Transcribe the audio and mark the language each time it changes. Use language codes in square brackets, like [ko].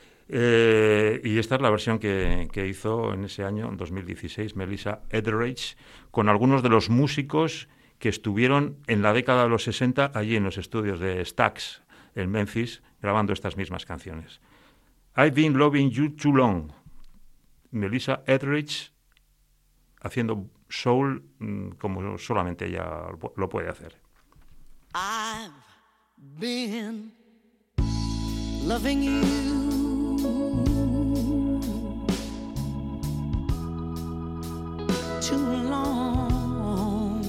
[es] Y esta es la versión que hizo en ese año, en 2016, Melissa Etheridge, con algunos de los músicos que estuvieron en la década de los 60 allí en los estudios de Stax en Memphis, grabando estas mismas canciones. [en] I've been loving you too long. [es] Melissa Etheridge haciendo soul como solamente ella lo puede hacer. [en] I've been loving you too long.